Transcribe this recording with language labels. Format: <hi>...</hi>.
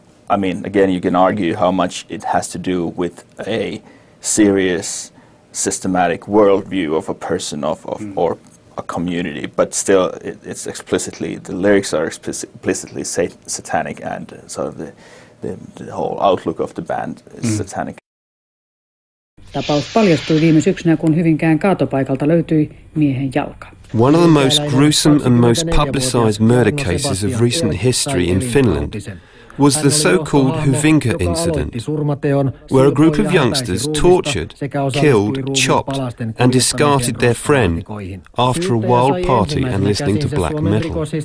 <en>I mean, again, you can argue how much it has to do with a serious, systematic worldview of a person or a community, but still it's explicitly, the lyrics are explicitly satanic, and sort of the whole outlook of the band is satanic.</en> <fi>Tapaus paljastui viime syksynä, kun Hyvinkään kaatopaikalta löytyi miehen jalka.</fi> <en>One of the most gruesome and most publicized murder cases of recent history in Finland was the so-called Hyvinkä incident, where a group of youngsters tortured, killed, chopped, and discarded their friend after a wild party and listening to black metal.</en>